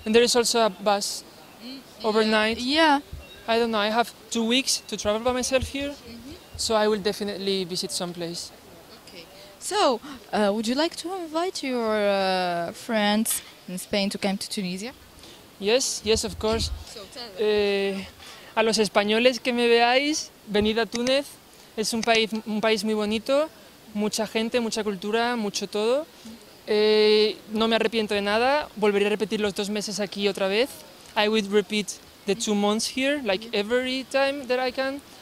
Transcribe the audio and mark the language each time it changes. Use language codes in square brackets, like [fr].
[en] And there is also a bus overnight. Yeah. I don't know. I have 2 weeks to travel by myself here. Mm-hmm. So I will definitely visit some place. Okay. So would you like to invite your friends in Spain to come to Tunisia? Yes, yes, of course. So tell them. [es] A los españoles que me veáis, venid a Túnez. Es un país muy bonito, mucha gente, mucha cultura, mucho todo. No me arrepiento de nada. Volvería a repetir los 2 meses aquí otra vez. [en] I would repeat the 2 months here, like every time that I can.